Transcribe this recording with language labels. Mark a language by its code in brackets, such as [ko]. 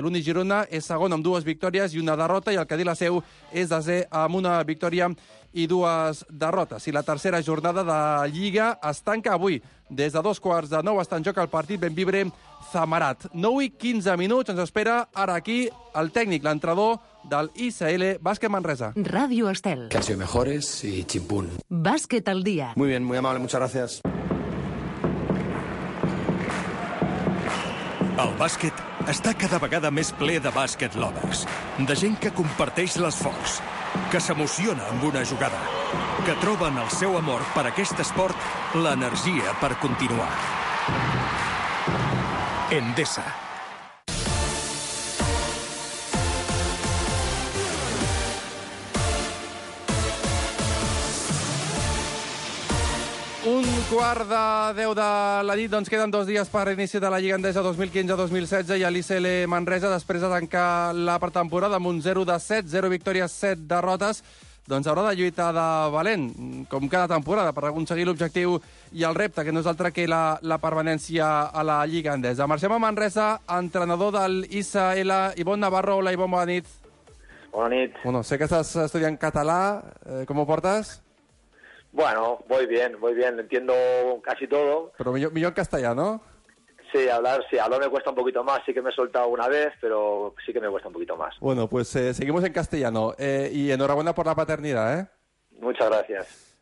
[ca] L'Uni Girona és segon amb dues victòries i una derrota, i el Cadí la Seu és desè amb una victòria i dues derrotes. I la tercera jornada de Lliga es tanca avui. Des de dos quarts de nou està en joc el partit Benvibre Zamarat. 9 i 15 minuts ens espera ara aquí el tècnic, l'entrenador del ICL, Bàsquet Manresa. Ràdio Estel. Casio Mejores i Chimpún. Bàsquet al dia. [es] Muy bien, muy amable, muchas gracias. [ca] El bàsquet està cada vegada més ple de bàsquet lovers, de gent que comparteix l'esforç, que s'emociona amb una jugada, que troben el seu amor per aquest esport l'energia per continuar. Endesa. Un quart de 10 de la nit, doncs queden dos dies per l'inici de la Lliga Endesa 2015-2016 i a l'ICL Manresa, després de tancar la pretemporada amb un 0 de 7, 0 victòries, 7 derrotes, doncs haurà de lluitar de valent, com cada temporada, per aconseguir l'objectiu i el repte, que no és altre que la permanència a la Lliga Endesa. Marxem a Manresa, entrenador del ICL, Ibon Navarro. Hola, Ibon, bona nit. Bona nit. Bueno, sé que estàs estudiant català, com ho portes? [es] Bueno, voy bien, entiendo casi todo. Pero millón castellano, ¿no? Sí, hablar me cuesta un poquito más, sí que me he soltado una vez, pero sí que me cuesta un poquito más. Bueno, pues seguimos en castellano, y enhorabuena por la paternidad, ¿eh? Muchas gracias.